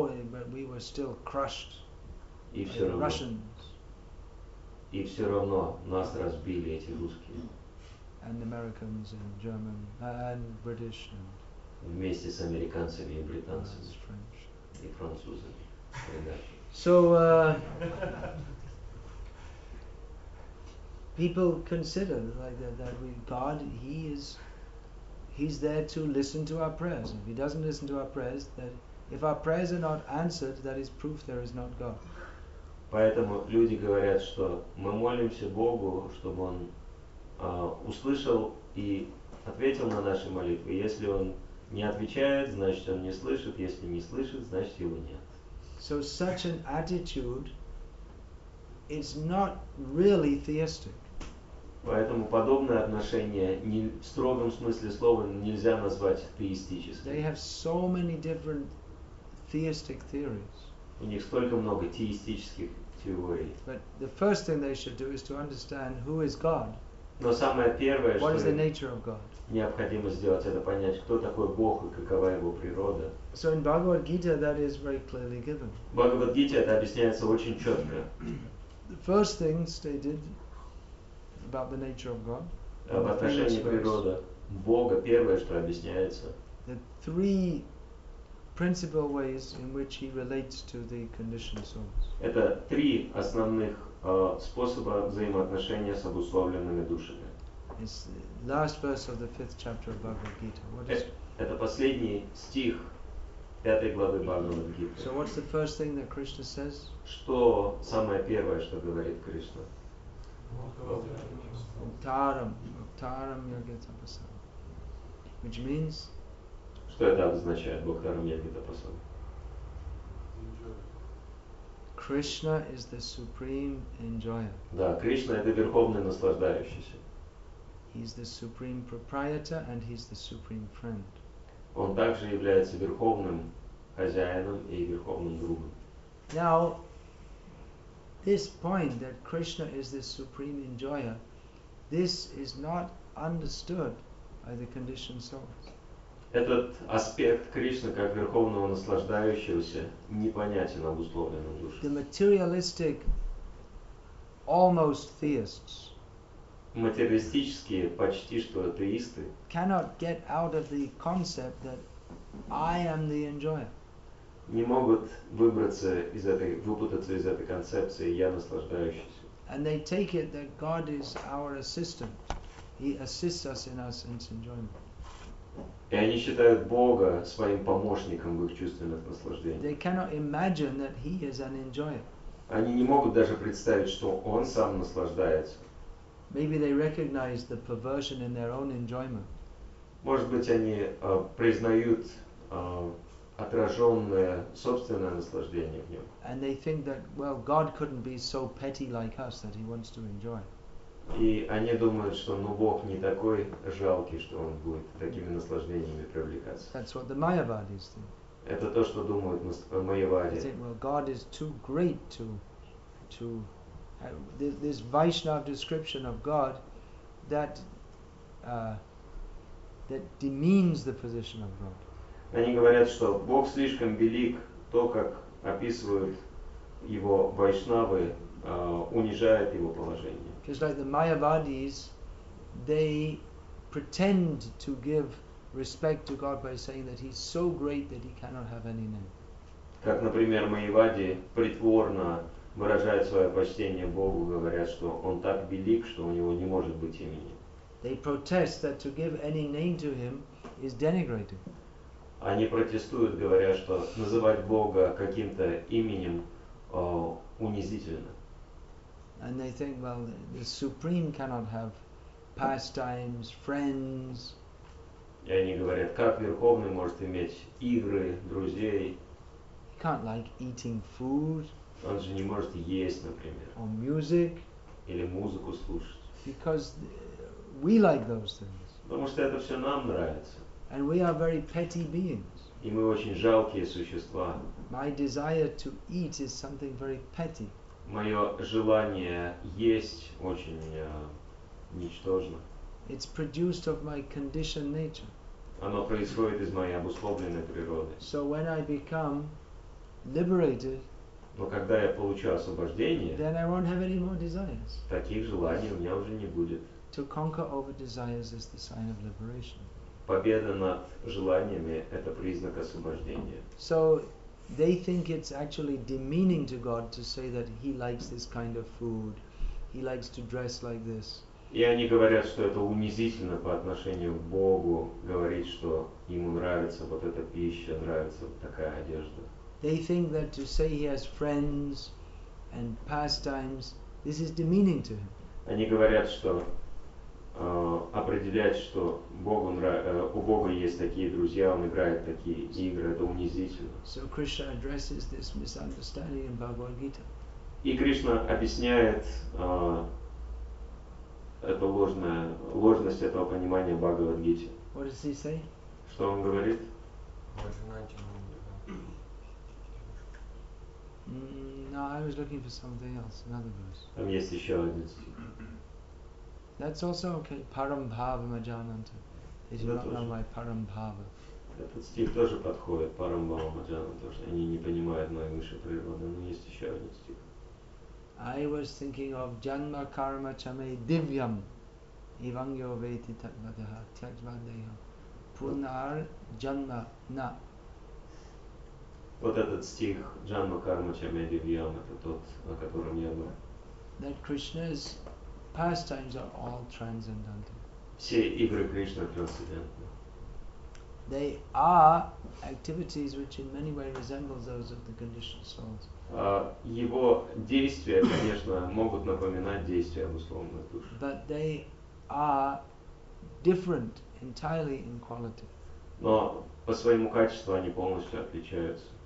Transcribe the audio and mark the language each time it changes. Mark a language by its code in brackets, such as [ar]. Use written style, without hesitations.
[en] But we were still crushed. [ru] И все равно. [en] Russians. [ru] И все равно нас разбили эти русские. [en] And Americans and German and British and. [ru] Вместе с американцами и британцами. [en] And French. [ru] И французами. [en] So people consider like that with God, he's there to listen to our prayers. If he doesn't listen to our prayers, that if our prayers are not answered, that is proof there is not God. [ru] Поэтому люди говорят, что мы молимся Богу, чтобы он услышал и ответил на наши молитвы. Если он не отвечает, значит он не слышит. Если не слышит, значит его нет. [en] So such an attitude is not really theistic. [ru] Поэтому подобное отношение не в строгом смысле слова нельзя назвать атеистическим. [en] They have so many different theistic theories. [ru] У них столько много теистических теорий. [en] But the first thing they should do is to understand who is God. [ru] Но самое первое, [en] what is the nature of God? [ru] Необходимо сделать, это понять, кто такой Бог и какова его природа. [en] So in Bhagavad Gita that is very clearly given. [ru] В Бхагавад Гите это объясняется очень четко. [en] The first thing stated about the nature of God. [ru] Об отношении природы Бога первое, что объясняется. [en] The three principal ways in which he relates to the conditioned souls. [ru] Это три основных способа взаимоотношения с обусловленными душами. [en] It's the last verse of the fifth chapter of Bhagavad Gita. [ru] Это последний стих пятой главы Бхагавад Гиты. [en] So what's the first thing that Krishna says? [ru] Что самое первое, что говорит Кришна? [sa] Уктарам, уктарам йогетапасам. [en] Which means? [ru] Что это обозначает? [sa] Уктарам йогетапасам. [en] Krishna is the supreme enjoyer. [ru] Да, Кришна это верховный наслаждающийся. [en] He's the supreme proprietor and he's the supreme friend. [ru] Он также является верховным хозяином и верховным другом. [en] Now, this point that Krishna is the supreme enjoyer, this is not understood by the conditioned souls. [ru] Этот аспект Кришны как верховного наслаждающегося непонятен обусловленным душам. [en] The materialistic, almost theists, [ru] материалистические почти что атеисты, [en] cannot get out of the concept that I am the enjoyer. [ru] Не могут выбраться из этой, выпутаться из этой концепции «я наслаждающийся». [en] And they take it that God is our assistant. He assists us in our sense enjoyment. [ru] И они считают Бога своим помощником в их чувственных наслаждениях. [en] They cannot imagine that he is an enjoyer. [ru] Они не могут даже представить, что он сам наслаждается. [en] Maybe they recognize the perversion in their own enjoyment. [ru] Может быть, они признают отраженное собственное наслаждение в нем. [en] And they think that, well, God couldn't be so petty like us that he wants to enjoy. [ru] И они думают, что ну Бог не такой жалкий, что он будет такими наслаждениями привлекаться. [en] That's what the Mayavadis think. [ru] Это то, что думают майявади. [en] They think, well, God is too great to this Vaishnava description of God that that demeans the position of God. [ru] Они говорят, что Бог слишком велик, то, как описывают его вайшнавы, унижает его положение. [en] Just like the Mayavadis, they pretend to give respect to God by saying that he's so great that he cannot have any name. [ru] Как, например, майявади притворно выражают свое почтение Богу, говоря, что он так велик, что у него не может быть имени. [en] They protest that to give any name to him is denigrating. [ru] Они протестуют, говоря, что называть Бога каким-то именем унизительно. [en] And they think, well, the Supreme cannot have pastimes, friends. [ru] И они говорят, как Верховный может иметь игры, друзей? [en] He can't like eating food. [ru] Он же не может есть, например. [en] Or music. [ru] Или музыку слушать. [en] Because we like those things. [ru] Потому что это все нам нравится. [en] And we are very petty beings. [ru] И мы очень жалкие существа. [en] My desire to eat is something very petty. [ru] Мое желание есть очень ничтожно. [en] It's produced of my conditioned nature. [ru] Оно происходит из моей обусловленной природы. [en] So when I become liberated, [ru] но когда я получу освобождение, [en] then I won't have any more desires. [ru] Таких желаний у меня уже не будет. [en] To conquer over desires is the sign of liberation. [ru] Победа над желаниями – это признак освобождения. [en] So they think it's actually demeaning to God to say that he likes this kind of food, he likes to dress like this. [ru] И они говорят, что это унизительно по отношению к Богу говорить, что ему нравится вот эта пища, нравится вот такая одежда. [en] They think that to say he has friends and pastimes, this is demeaning to him. [ru] Они говорят, что определять, что Богу у Бога есть такие друзья, он играет такие игры, это унизительно. [en] So Krishna addresses this misunderstanding in Bhagavad Gita. [ru] И Кришна объясняет это ложность этого понимания в Бхагавад Гите. [en] What does he say? [ru] Что он говорит? [en] No, I was looking for something else, another verse. [pl] Tam jest jeszcze jeden cytat. [en] That's also okay. [sa] Param bhava majananta. [en] They do not know my param bhava. [ru] Этот стих тоже подходит [sa] парам бхава маджанам, [ru] потому что они не понимают моей высшей природы. Но есть еще один стих. [en] I was thinking of [sa] janma karma chame divyam evangyo veti tatvadaha tyajvadeha punar janma na. [ru] Вот этот стих [sa] janma karma chame divyam, [ru] это тот, о котором я говорю. [en] That Krishna's pastimes are all transcendental. [ru] Все игры Кришны трансцендентны. [en] They are activities which in many ways resemble those of the conditioned souls. [ru] Его действия, конечно, могут напоминать действия обусловленных душ. [en] But they are different entirely in quality. [ru] Но по своему качеству они полностью отличаются.